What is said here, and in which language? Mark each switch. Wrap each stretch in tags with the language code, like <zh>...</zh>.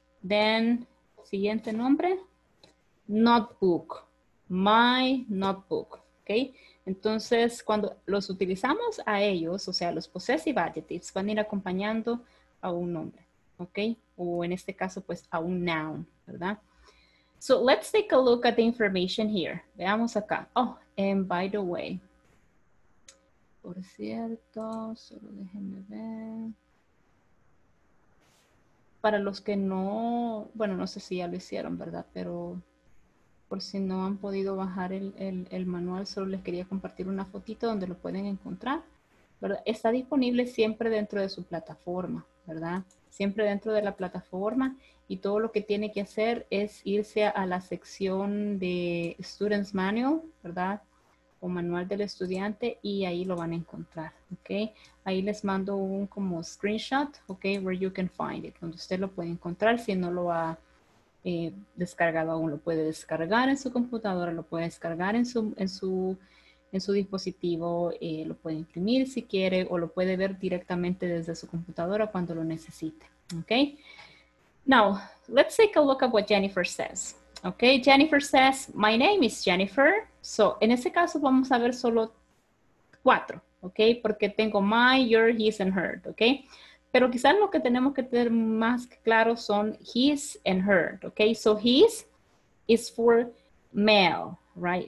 <es>Then, siguiente nombre. Notebook.</es> <en>My notebook, okay?</en> <es>Entonces, cuando los utilizamos a ellos, o sea, los possessive adjectives, van a ir acompañando a un nombre, okay? O en este caso, pues, a un noun, ¿verdad?</es> <en>So, let's take a look at the information here.</en> <es>Veamos acá.</es> <en>Oh, and by the way.</en> <es>Por cierto, solo déjenme ver. Para los que no, bueno, no sé si ya lo hicieron, ¿verdad? Pero por si no han podido bajar el manual, solo les quería compartir una fotito donde lo pueden encontrar, ¿verdad? Está disponible siempre dentro de su plataforma, ¿verdad? Siempre dentro de la plataforma. Y todo lo que tiene que hacer es irse a la sección de Student's Manual, ¿verdad? O Manual del Estudiante, y ahí lo van a encontrar, ¿ok? Ahí les mando un como screenshot, ¿ok?</es> <en>Where you can find it,</en> <es>donde usted lo puede encontrar. Si no lo ha descargado aún, lo puede descargar en su computadora, lo puede descargar en su dispositivo, lo puede imprimir si quiere, o lo puede ver directamente desde su computadora cuando lo necesite, ¿ok?</es> <en>Now, let's take a look at what Jennifer says. Okay, Jennifer says, my name is Jennifer.</en> <es>So, en ese caso vamos a ver solo cuatro, okay? Porque tengo my, your, his, and her, okay? Pero quizás lo que tenemos que tener más claro son his and her, okay?</es> <en>So, his is for male, right?</en>